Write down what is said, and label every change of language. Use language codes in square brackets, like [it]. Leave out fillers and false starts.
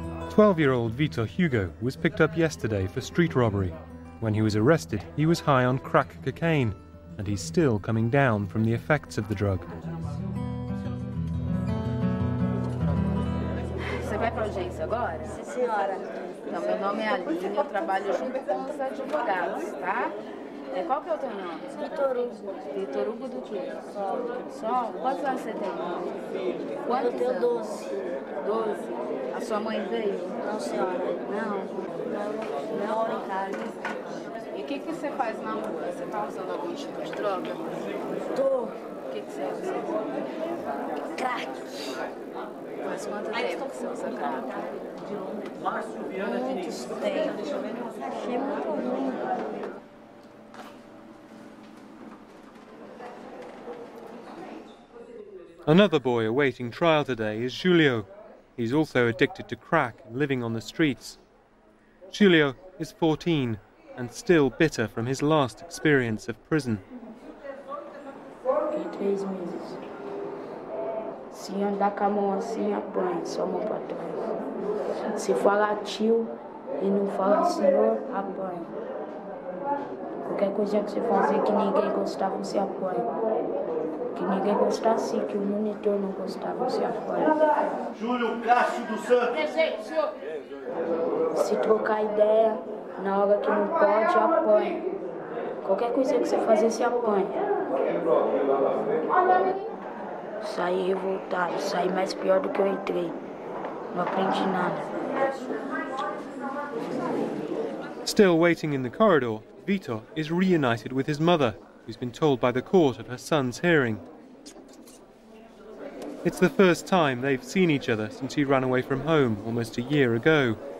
[en] Twelve-year-old Vitor Hugo was picked up yesterday for street robbery. When he was arrested, he was high on crack cocaine, and he's still coming down from the effects of the drug. [pt] Você vai pra audiência agora? Sim, senhora. Então, meu nome é Aline, eu trabalho junto com os advogados, tá? E qual que é o teu nome? Vitor Hugo. Vitor Hugo do quê? Sol. Sol? Quantos anos você tem? Quantos? Eu tenho 12. 12? A sua mãe veio? Não, senhora. Não? Não, não, em casa. E o que, que você faz na rua? Você tá usando algum tipo de droga? Tô. O que, que você usa? Crack. Mas quanto tempo que você usa crack? Márcio Viana Diniz. Muito tempo. Achei muito ruim. [en] Another boy awaiting trial today is Julio. He's also addicted to crack and living on the streets. Julio is 14 and still bitter from his last experience of prison. [pt] Fiquei 3 meses. Se andar com a mão assim, apanha, só mão pra trás. Se falar tio e não falar senhor, apanha. Qualquer coisa que você fazer que ninguém gostar, você apanha. Que ninguém gostasse, que o monitor não gostava, se apoia. Júlio Cássio dos Santos. Presente, senhor. Se trocar ideia, na hora que não pode, apoia. Qualquer coisa que você fazer, se apoia. Saí revoltado, saí mais pior do que eu entrei. Não aprendi nada. [en] Still waiting in the corridor, Vitor is reunited with his mother, who's been told by the court of her son's hearing. It's the first time they've seen each other since he ran away from home almost a year ago.